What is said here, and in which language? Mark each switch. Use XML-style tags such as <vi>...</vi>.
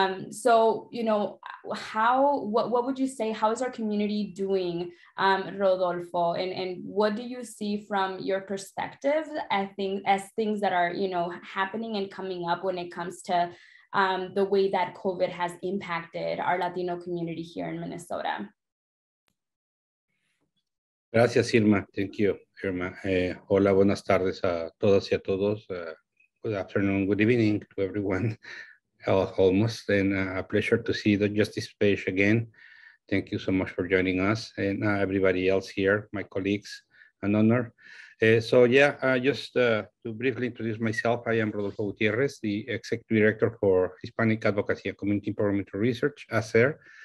<en>So, you know, what would you say, how is our community doing, Rodolfo? And what do you see from your perspective, I think, as things that are, you know, happening and coming up when it comes to the way that COVID has impacted our Latino community here in Minnesota?</en> <es>Gracias,</es> <en>Irma. Thank you, Irma.</en> <es>Hola, buenas tardes a todas y a todos.</es> <en>Good afternoon, good evening to everyone, almost. And a pleasure to see the Justice page again. Thank you so much for joining us and everybody else here, my colleagues, an honor. To briefly introduce myself, I am Rodolfo Gutierrez, the Executive Director for Hispanic Advocacy and Community Empowerment Research, ACER.</en>